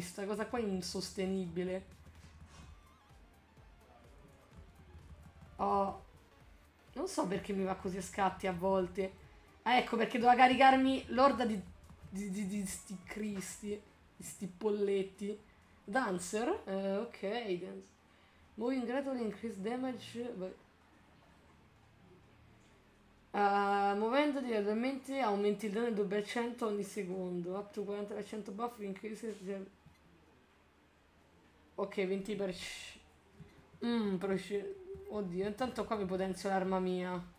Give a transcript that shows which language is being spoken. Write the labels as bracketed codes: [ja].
[it] Sta cosa qua è insostenibile. Oh. Non so perché mi va così a scatti a volte. Ah, ecco perché doveva caricarmi l'orda di sti cristi. Di sti polletti. Dancer? Ok, dance. [en] Moving gradually increase damage. [it] Muovendoti lateralmente aumenti il danno del 2% ogni secondo. [en] Up to 40% buff increase. [it] Ok, 20%. Oddio, intanto qua mi potenzio l'arma mia.